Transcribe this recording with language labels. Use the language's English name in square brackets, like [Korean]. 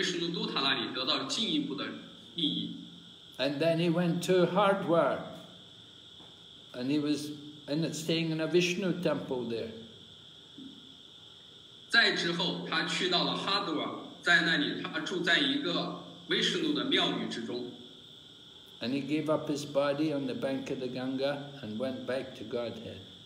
[Chinese] 在之后，他遇到了维什努都塔，而且呢，他听了维什努都塔在荣耀纳拉扬呢，所以他又从维什努都塔那里得到进一步的利益。 [English] And then he went to Hardwar, and he was staying in a Vishnu temple there. [Chinese] 再之后，他去到了哈德瓦，在那里他住在一个维什努的庙宇之中。 [English] And he gave up his body on the bank of the Ganga and went back to Godhead.